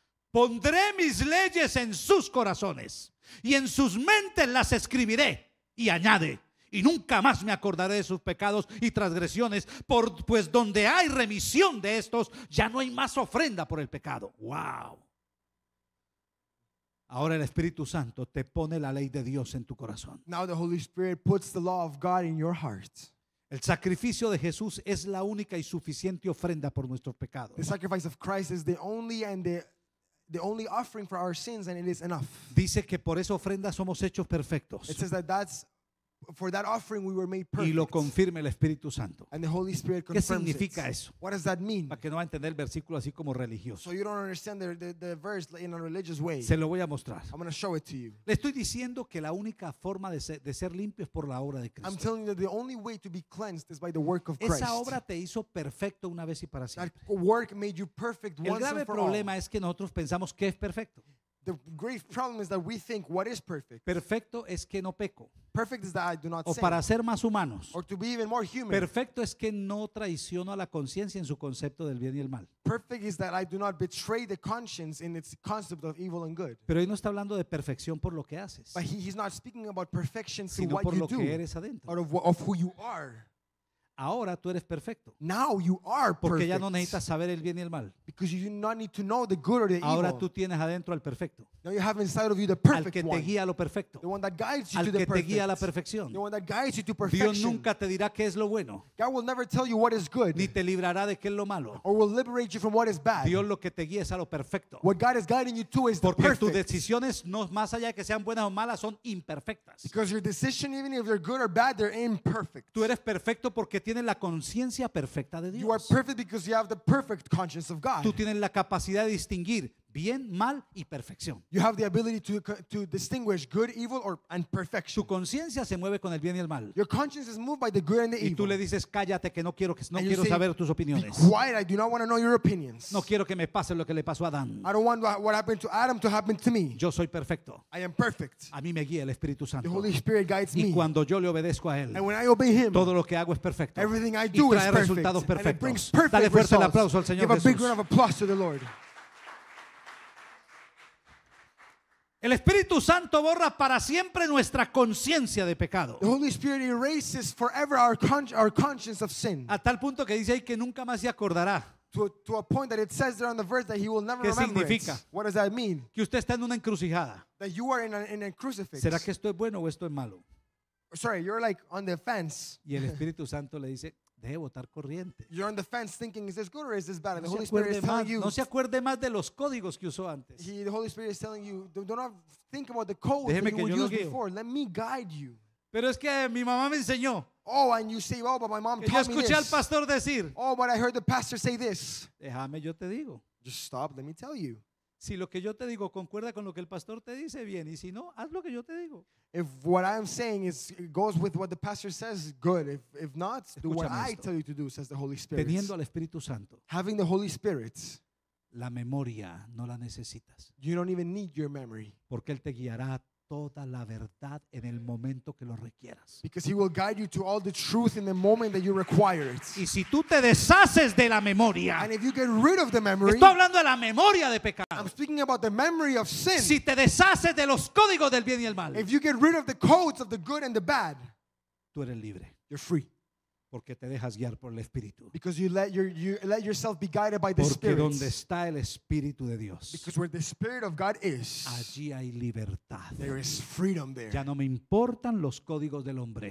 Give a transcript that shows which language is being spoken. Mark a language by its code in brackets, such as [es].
[es] Pondré mis leyes en sus corazones y en sus mentes las escribiré. Y añade, y nunca más me acordaré de sus pecados y transgresiones, pues donde hay remisión de estos, ya no hay más ofrenda por el pecado. ¡Wow! Ahora el Espíritu Santo te pone la ley de Dios en tu corazón. [en] Now the Holy Spirit puts the law of God in your heart. [es] El sacrificio de Jesús es la única y suficiente ofrenda por nuestros pecados. [en] The sacrifice of Christ is the only and the only offering for our sins, and it is enough. [es] Dice que por esa ofrenda somos hechos perfectos. [en] It says that that's for that offering we were made perfect. [es] Y lo confirma el Espíritu Santo. [en] And the Holy Spirit confirms [es] ¿Qué significa [en] it? [es] Eso? [en] What does that mean? [es] Para que no va a entender el versículo así como religioso. [en] So you don't understand the verse in a religious way. [es] Se lo voy a mostrar. [en] I'm going to show it to you. [es] Le estoy diciendo que la única forma de ser limpio es por la obra de Cristo. [en] I'm telling you that the only way to be cleansed is by the work of [es] Esa [en] Christ. [es] Esa obra te hizo perfecto una vez y para siempre. [en] That work made you perfect once and for all. [es] El grave problema es que nosotros pensamos que es perfecto. [en] The great problem is that we think what is perfect. [es] Perfecto es que no peco. [en] Perfect is that I do not sin. [es] O para ser más humanos. [en] Or to be even more human. [es] Perfecto es que no traiciono a la conciencia en su concepto del bien y el mal. [en] Perfect is that I do not betray the conscience in its concept of evil and good. [es] Pero él no está hablando de perfección por lo que haces. [en] But he's not speaking about perfection [es] sino [en] through what [es] por [en] you [es] lo [en] do. [es] Que eres adentro. [en] Or of who you are. [es] Ahora tú eres perfecto. [en] Now you are perfect. [es] Porque ya no necesitas saber el bien y el mal. [en] Because you do not need to know the good or the evil. [es] Ahora tú tienes adentro al perfecto. [en] Now you have inside of you the perfect one. [es] Al que te guía a lo perfecto. [en] The one that guides you [es] al [en] to the perfect. [es] Al que te guía a la perfección. [en] The one that guides you to perfection. [es] Dios nunca te dirá qué es lo bueno. [en] God will never tell you what is good. [es] Ni te librará de qué es lo malo. [en] Or will liberate you from what is bad. [es] Dios lo que te guía es a lo perfecto. [en] What God is guiding you to is [es] Porque [en] the perfect. [es] Porque tus decisiones no más allá de que sean buenas o malas son imperfectas. [en] Because your decision, even if they're good or bad, they're imperfect. [es] Tú eres perfecto porque tienes la conciencia perfecta de Dios. [en] You are perfect because you have the perfect conscience of God. [es] Tú tienes la capacidad de distinguir bien, mal y perfección. [en] You have the ability to distinguish good, evil or and perfection. [es] Tu conciencia se mueve con el bien y el mal. [en] Your conscience is moved by the good and the evil. [es] Y tú le dices cállate que no quiero saber tus opiniones. [en] Be quiet, I do not want to know your opinions. [es] No quiero que me pase lo que le pasó a Adán. [en] I don't want what happened to Adam to happen to me. [es] Yo soy perfecto. [en] I am perfect. [es] A mí me guía el Espíritu Santo. [en] The Holy Spirit guides me. [es] Y cuando yo le obedezco a él, [en] and when I obey him, [es] todo lo que hago es perfecto. [en] Everything I do is perfect. [es] Y trae resultados perfectos. [en] And it brings perfect results. [es] Dale fuerte el aplauso al Señor Jesús. [en] Give a big round of applause to the Lord. [es] El Espíritu Santo borra para siempre nuestra conciencia de pecado. [en] The Holy Spirit erases forever our conscience of sin. [es] A tal punto que dice ahí que nunca más se acordará. [en] To a point that it says there on the verse that he will never remember. [es] ¿Qué significa? [en] It. What does that mean? [es] Que usted está en una encrucijada. [en] That you are in a crucifix. [es] ¿Será que esto es bueno o esto es malo? [en] Sorry, you're like on the fence. [es] Y el Espíritu Santo le dice, deje botar corriente. [en] You're on the fence thinking, is this good or is this bad? And the Holy Spirit is telling you, [es] no se acuerde más de los códigos que usó antes. [en] The Holy Spirit is telling you, don't think about the code that you would use before. Let me guide you. [es] Pero es que mi mamá me enseñó. [en] Oh, and you say, oh, but my mom taught me this. [es] Yo escuché al pastor decir. [en] Oh, but I heard the pastor say this. [es] Déjame, yo te digo. [en] Just stop, let me tell you. [es] Si lo que yo te digo concuerda con lo que el pastor te dice, bien. Y si no, haz lo que yo te digo. [en] If what I'm saying is goes with what the pastor says, good. If not, do what I tell you to do, says the Holy Spirit. [es] Teniendo al Espíritu Santo. [en] Having the Holy Spirit. [es] La memoria no la necesitas. [en] You don't even need your memory. [es] Porque Él te guiará toda la verdad en el momento que lo requieras. [en] Because He will guide you to all the truth in the moment that you require it. [es] Y si tú te deshaces de la memoria, [en] and if you get rid of the memory, [es] estoy hablando de la memoria de pecado. [en] I'm speaking about the memory of sin. [es] Si te deshaces de los códigos del bien y el mal, [en] if you get rid of the codes of the good and the bad, [es] tú eres libre. [en] You're free. [es] Porque te dejas guiar por el Espíritu. [en] Because you let yourself be guided by the [es] Porque [en] Spirit. [es] Donde está el Espíritu de Dios. [en] Because where the Spirit of God is. [es] Allí hay libertad. [en] There is freedom there. [es] Ya no me importan los códigos del hombre.